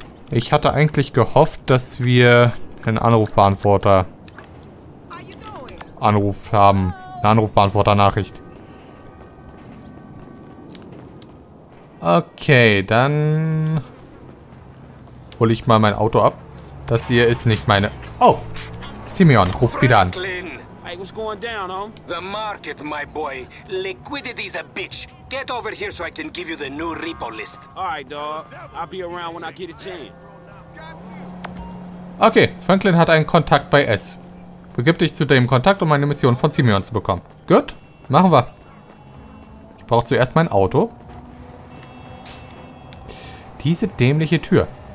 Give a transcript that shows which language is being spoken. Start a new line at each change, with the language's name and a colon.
German: Ich hatte eigentlich gehofft, dass wir einen Anrufbeantworter... Anruf haben. Eine Anrufbeantworter-Nachricht. Okay, dann... hole ich mal mein Auto ab. Das hier ist nicht meine... Oh! Simeon ruft wieder an.
English: Hey, what's going down, huh? The market, my boy. Liquidity is a bitch. Get over here so I can give you the new repo list. All right, dog. I'll be around when I get a chance.
German: Okay, Franklin hat einen Kontakt bei S. Begib dich zu dem Kontakt, um eine Mission von Simeon zu bekommen. Gut, machen wir. Ich brauche zuerst mein Auto. Diese dämliche Tür.